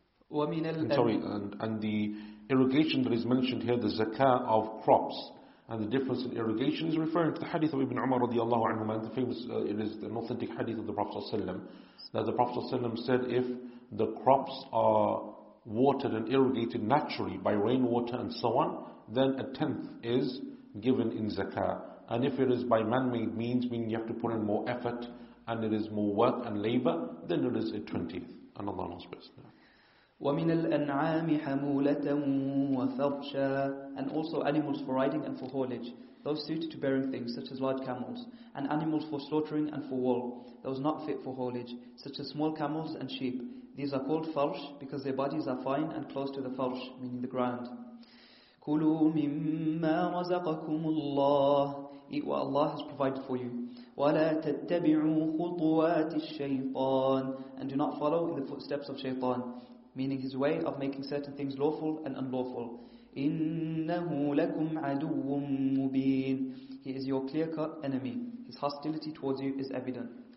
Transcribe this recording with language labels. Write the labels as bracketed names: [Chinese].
[English] And the irrigation that is mentioned here, the zakah of crops, and the difference in irrigation is referring to the hadith of Ibn Umar radiallahu anhu, and the famous, it is an authentic hadith of the Prophet ﷺ, that the Prophet ﷺ said, if the crops are watered and irrigated naturally by rainwater and so on, then a tenth is given in zakah. And if it is by man-made means, meaning you have to put in more effort, and it is more work and labor, then it is a twentieth. And Allah knows best. [Arabic] ومن الأنعام حمولة وفرشا. [English] And also animals for riding and for haulage, those suited to bearing things, such as large camels, and animals for slaughtering and for wool, those not fit for haulage, such as small camels and sheep. These are called farsh because their bodies are fine and close to the farsh, meaning the ground. [Arabic] كلوا مما رزقكم الله. [English] Eat what Allah has provided for you. [Arabic] ولا تتبعوا خطوات الشيطان. [English] And do not follow in the footsteps of shaitan, meaning his way of making certain things lawful and unlawful. [Arabic] إِنَّهُ لَكُمْ عَدُوٌ مُبِينٌ. [English] He is your clear-cut enemy. His hostility towards you is evident.